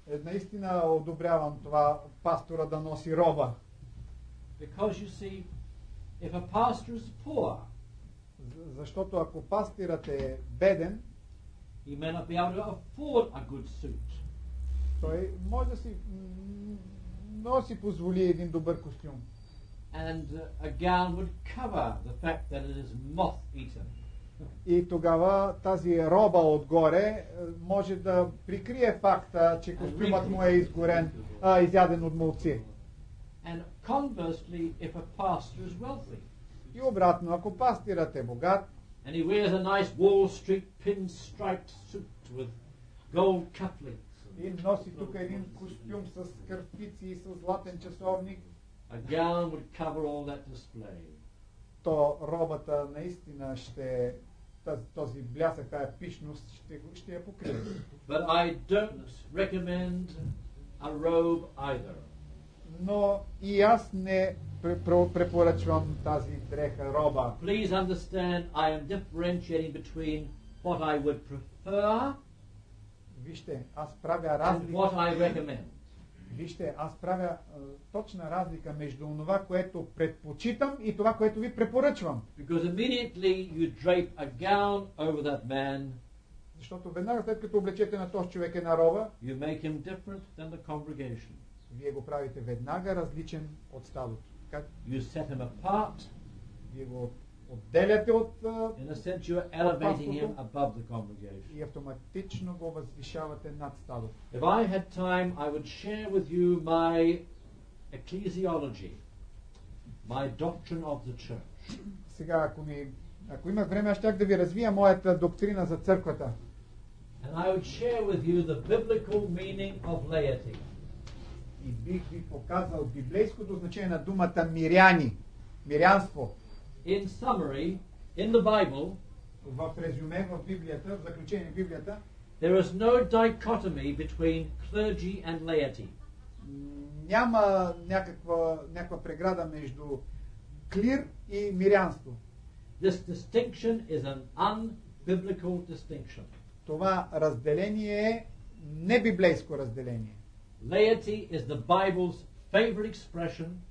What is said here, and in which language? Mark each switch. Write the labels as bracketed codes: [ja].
[bg] Наистина одобрявам това пастора да носи роба. [en] Because you see, if a pastor is poor, [bg] защото ако пастирът е беден, [en] he may not be able to afford a good suit. [bg] Той може да си носи позволи един добър костюм. [en] And a gown would cover the fact that it is moth eaten. [bg] И тогава тази роба отгоре може да прикрие факта, че костюмът му е изгорен, изяден от молци. [en] And conversely, if a pastor is wealthy, [bg] И обратно, ако пастирът е богат, [en] and he wears a nice Wall Street pinstriped suit with gold cufflinks. [bg] И носи тук един костюм с кърпици и с златен часовник. [en] A gown would cover all that display. [bg] То робата наистина ще този блясък, тая пишност ще я покрие. [en] But I don't recommend a robe either. [bg] Но и аз не препоръчвам тази дреха, роба. [en] Please understand, I am differentiating between what I would prefer. [bg] Вижте, аз правя разлика. [en] What I recommend. [bg] Вижте, аз правя точна разлика между това, което предпочитам и това, което ви препоръчвам. [en] Because immediately you drape a gown over that man. [bg] Защото веднага след като облечете на този човек една роба, [en] you make him different than the congregation. [bg] Вие го правите веднага различен от стадото. [en] You set him apart. [bg] Вие го отделяте от [en] In a sense, you are elevating him above the congregation. [bg] И автоматично го възвишавате над стадото. [en] If I had time, I would share with you my ecclesiology, my doctrine of the church. [bg] Сега, ако имах време, щях да ви развия моята доктрина за църквата. [en] And I would share with you the biblical meaning of laity. [bg] И бих ви показал библейското значение на думата миряни, мирянство. [en] In summary, in the Bible, [bg] в резюме в Библията, в заключение в Библията, [en] there is no dichotomy between clergy and laity. [bg] Няма някаква преграда между клир и мирянство. [en] This distinction is an unbiblical distinction. [bg] Това разделение е небиблейско разделение. [en] Laity is the Bible's favorite expression.